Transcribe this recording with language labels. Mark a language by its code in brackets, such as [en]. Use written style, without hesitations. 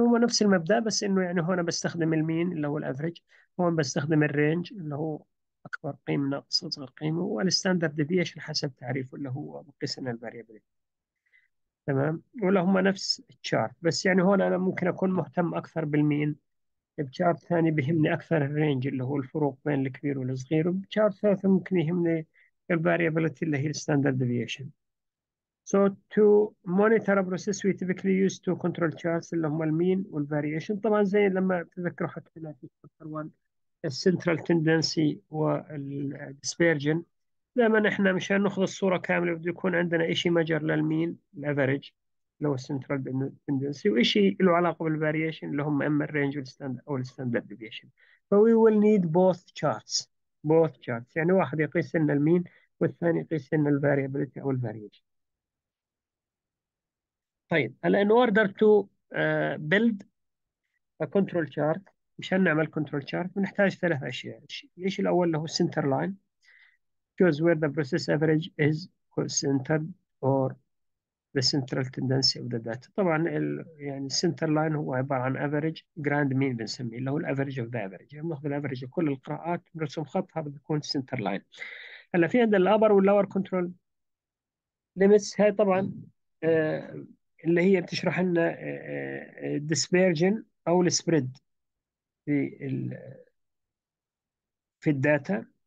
[ar] هو نفس المبدأ، بس انه يعني هون بستخدم المين اللي هو الافريج، هون بستخدم الرينج اللي هو اكبر قيمة ناقص اصغر قيمة، والستاندرد ديفيشن حسب تعريفه اللي هو بقيس لنا الفاريابيليتي. تمام، ولا هم نفس الشارت، بس يعني هون انا ممكن اكون مهتم اكثر بالمين، بشارت ثاني بيهمني اكثر الرينج اللي هو الفروق بين الكبير والصغير، وبشارت ثالث ممكن يهمني الفاريابيليتي اللي هي الستاندرد ديفيشن. [en] So to monitor a process we typically use two control charts [ar] اللي هم المين والفاريشن. طبعا زي لما تذكروا حكينا في الشابتر 1 السنترال تندنسي والديسبيرجن، دائما احنا مشان ناخذ الصوره كامله بده يكون عندنا شيء مجر للمين الافريج اللي هو السنترال تندنسي، وشيء له علاقه بالفاريشن اللي هم اما الرينج والستاندرد او الستاندرد ديفيشن. [en] فوي will need both charts, [ar] بوث تشارتس يعني واحد يقيس لنا المين والثاني يقيس لنا الفاريابيلتي او الفاريشن. طيب هلا [en] in order to build a control chart، [ar] مشان نعمل [en] control chart [ar] بنحتاج ثلاث أشياء. الشيء الأول اللي هو [en] center line because where the process average is centered or the central tendency of the data. [ar] طبعا يعني center line هو عبارة عن average grand mean بنسميه، اللي هو [en] average of the average، [ar] يعني بناخذ average لكل القراءات بنرسم خط، هذا بيكون center line. هلا في عندنا upper واللور control limits، هاي طبعا اللي هي بتشرح لنا الديسبيرجن او السبريد في الداتا.